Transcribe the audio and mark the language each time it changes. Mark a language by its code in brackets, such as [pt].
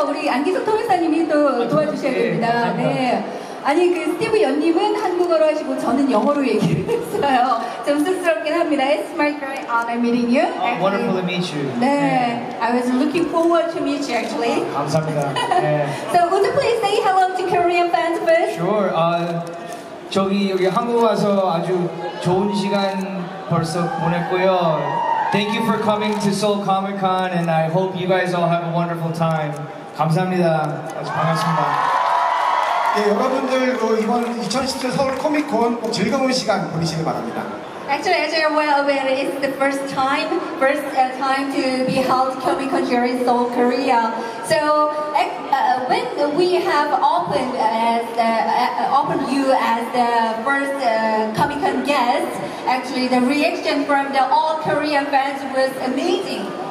[ko] 안기석 통역사님이 또 도와주셔야 됩니다. 네. 아니 그 스티브 연님은 한국어로 하시고 저는 영어로 얘기를 했어요. 좀 쑥스럽긴 합니다. [en] It's my great honor meeting you. Oh, wonderful to meet you. 네, yeah. I was looking forward to meet you actually. [ko] 감사합니다. [en] So would you please say hello to Korean fans first? Sure. [ko] 저기 여기 한국 와서 아주 좋은 시간 벌써 보냈고요. [en] Thank you for coming to Seoul Comic Con, and I hope you guys all have a wonderful time. [ko] 감사합니다. 아주 반갑습니다. 네, 여러분들 이번 2017 서울 코믹콘 꼭 즐거운 시간 보내시길 바랍니다. [en] Actually, as you're well aware, it's the first time to be held Comic Con here in Seoul, Korea. So when we have opened you as the first Comic Con guest, actually the reaction from the all Korean fans was amazing.